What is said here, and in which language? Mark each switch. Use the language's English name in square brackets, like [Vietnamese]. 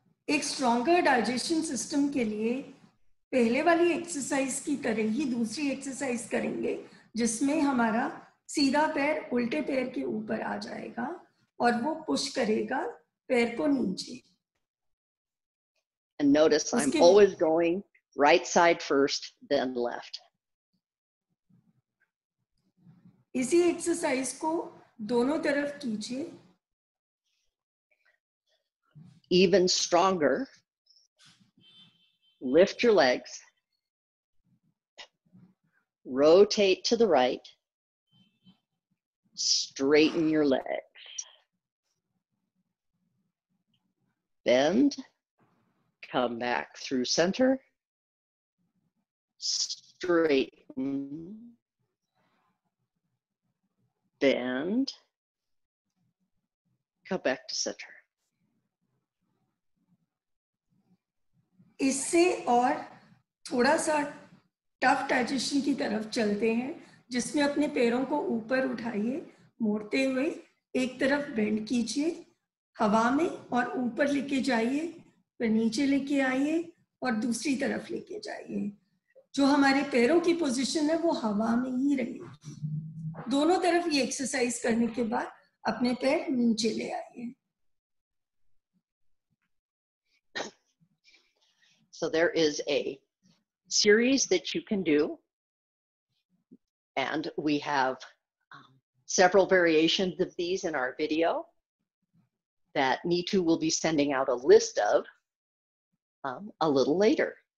[Hindi] एक [English] stronger digestion system [Hindi] के लिए पहले वाली एक्सरसाइज की तरह ही दूसरी एक्सरसाइज करेंगे जिसमें हमारा सीधा पैर उल्टे पैर के ऊपर आ जाएगा और वो पुश करेगा पैर को नीचे. [English] And notice I'm always going right side first, then left. [Hindi] इसी एक्सरसाइज को दोनों तरफ कीजिए. [English] Even stronger, lift your legs, rotate to the right, straighten your legs, bend, come back through center, straighten, bend, come back to center. [Hindi] इससे और थोड़ा सा [English] tough digestion [Hindi] की तरफ चलते हैं जिसमें अपने पैरों को ऊपर उठाइए मोड़ते हुए एक तरफ बेंड कीजिए हवा में और ऊपर लेके जाइए फिर नीचे लेके आइए और दूसरी तरफ लेके जाइए. जो हमारे पैरों की पोजीशन है वो हवा में ही रहेगी. दोनों तरफ ये एक्सरसाइज करने के बाद अपने पैर नीचे ले आइए. [English] So there is a series that you can do, and we have several variations of these in our video that Neetu will be sending out a list of a little later.